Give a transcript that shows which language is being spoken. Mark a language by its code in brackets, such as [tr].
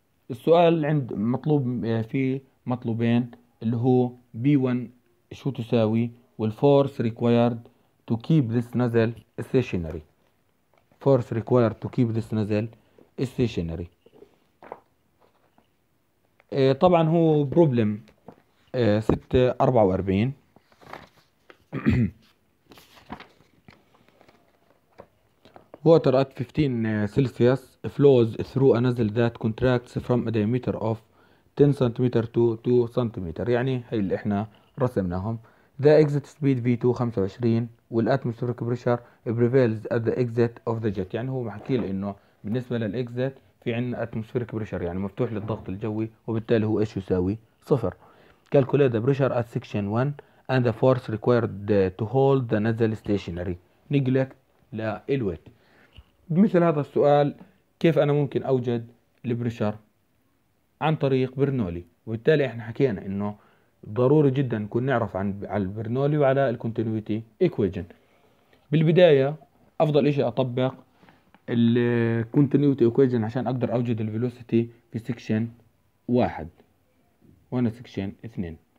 [ar] السؤال عند مطلوب في مطلوبين اللي هو بي 1 شو تساوي، [en] والفورس required to keep this nozzle stationary. Force required to keep this nozzle stationary, [ar] طبعا هو [en] Problem 644. Water at 15 Celsius flows through a nozzle that contracts from a diameter of 10 cm to 2 cm. [ar] يعني هاي اللي احنا رسمناهم. [en] The exit speed V2 25 والاتموسفيريك pressure prevails at the exit of the jet. [ar] يعني هو محكي لي انه بالنسبة للاكزيت في عندنا اتموسفيريك بريشر يعني مفتوح للضغط الجوي، وبالتالي هو ايش يساوي؟ صفر. [en] Calculate the pressure at section 1 and the force required to hold the nozzle stationary. [ar] Neglect لا الويت. بمثل هذا السؤال كيف انا ممكن اوجد البريشر؟ عن طريق برنولي، وبالتالي احنا حكينا انه ضروري جدا نكون نعرف عن على البرنولي وعلى الكونتينيوتي ايكويجن. بالبدايه افضل شيء اطبق الكونتينيوتي ايكويجن عشان اقدر اوجد الفيلوسيتي في سكشن 1 وانا سكشن 2.